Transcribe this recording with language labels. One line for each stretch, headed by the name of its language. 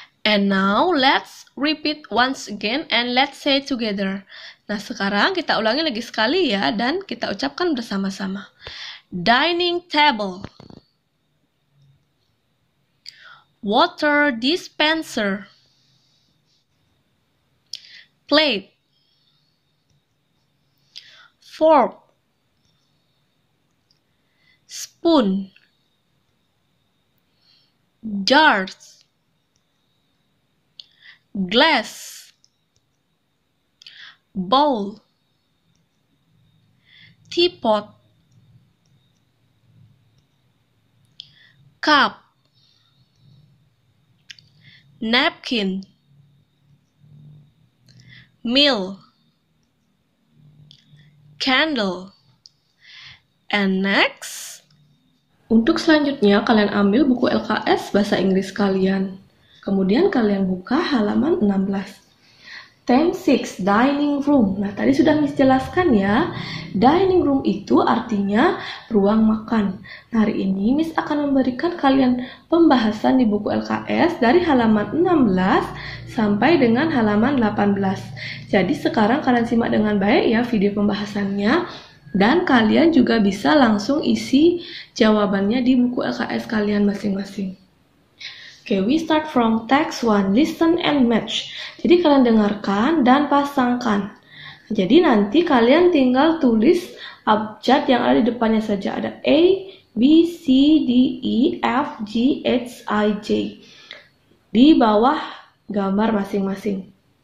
English: And now let's repeat once again and let's say together.
Indonesian: Nah, sekarang kita ulangi lagi sekali ya dan kita ucapkan bersama-sama.
English: Dining table. Water dispenser. Plate. Fork. Spoon. Jars. Glass, bowl, teapot, cup, napkin, meal, candle, and next.
Indonesian: Untuk selanjutnya, kalian ambil buku LKS Bahasa Inggris kalian. Kemudian kalian buka halaman 16. Tema 6, dining room. Nah, tadi sudah Miss jelaskan ya, dining room itu artinya ruang makan. Nah, hari ini Miss akan memberikan kalian pembahasan di buku LKS dari halaman 16 sampai dengan halaman 18. Jadi sekarang kalian simak dengan baik ya video pembahasannya. Dan kalian juga bisa langsung isi jawabannya di buku LKS kalian masing-masing.
English: Okay, we start from text 1, listen and match.
Indonesian: Jadi kalian dengarkan dan pasangkan. Jadi nanti kalian tinggal tulis abjad yang ada di depannya saja. Ada A, B, C, D, E, F, G, H, I, J. Di bawah gambar masing-masing.